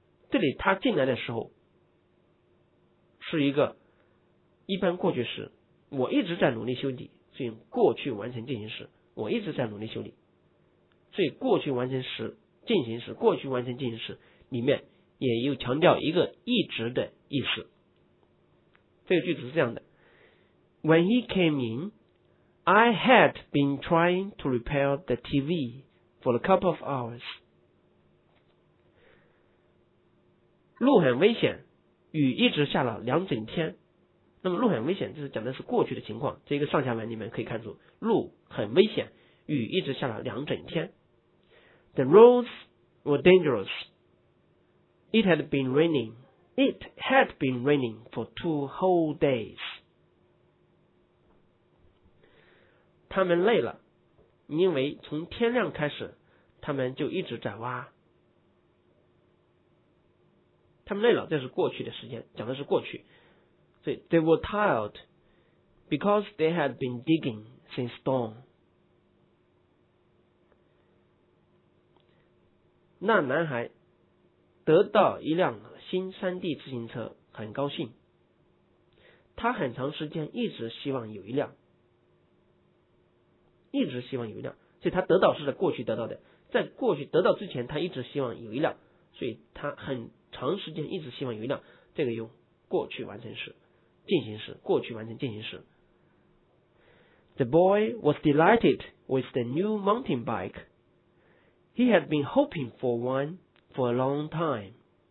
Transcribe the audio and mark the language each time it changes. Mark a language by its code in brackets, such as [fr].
[zh] 这里他进来的时候是一个一般过去时，我一直在努力修理，所以过去完成进行时，我一直在努力修理。所以过去完成时、进行时、过去完成进行时里面也有强调一个一直的意思。这个句子是这样的， [en] When he came in,I had been trying to repair the TV for a couple of hours. [zh] 路很危险，雨一直下了两整天。那么路很危险，这是讲的是过去的情况。这个上下文你们可以看出，路很危险，雨一直下了两整天。 [en] The roads were dangerous. It had been raining. It had been raining for 2 whole days. [zh] 他们累了，因为从天亮开始他们就一直在挖。他们累了，这是过去的时间，讲的是过去。所以 [en] They were tired because they had been digging since dawn. [zh] 那男孩得到一辆新山地自行车很高兴，他很长时间一直希望有一辆，一直希望有一辆。所以他得到是在过去得到的，在过去得到之前他一直希望有一辆，所以他很长时间一直希望有一辆，这个用过去完成时，进行时，过去完成进行时。 [en] The boy was delighted with the new mountain bike. He had been hoping for one for a long time.